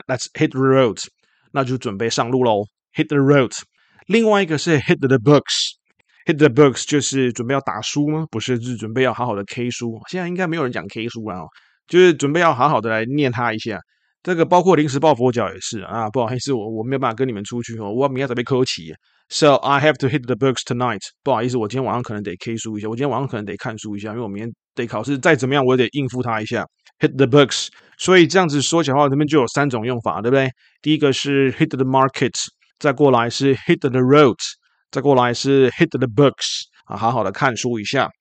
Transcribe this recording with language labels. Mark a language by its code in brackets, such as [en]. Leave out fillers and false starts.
[en] Let's hit the road， [zh] 那就准备上路喽。 [en] Hit the road， [zh] 另外一个是 [en] hit the books。 Hit the books [zh] 就是准备要打书吗？不是，是准备要好好的 K 书。现在应该没有人讲 K 书了哦，就是准备要好好的来念它一下。这个包括临时抱佛脚也是啊，不好意思，我没有办法跟你们出去哦，我明天才被扣起。 [en] So I have to hit the books tonight。 [zh] 不好意思，我今天晚上可能得 K 书一下，我今天晚上可能得看书一下，因为我明天得考试，再怎么样我也得应付它一下。 [en] Hit the books。 [zh] 所以这样子说起来的话，这边就有三种用法，对不对？第一个是 [en] hit the market。 [zh] 再过来是 [en] hit the road， [zh] 再过来是 [en] hit the books， [zh] 好好的看书一下。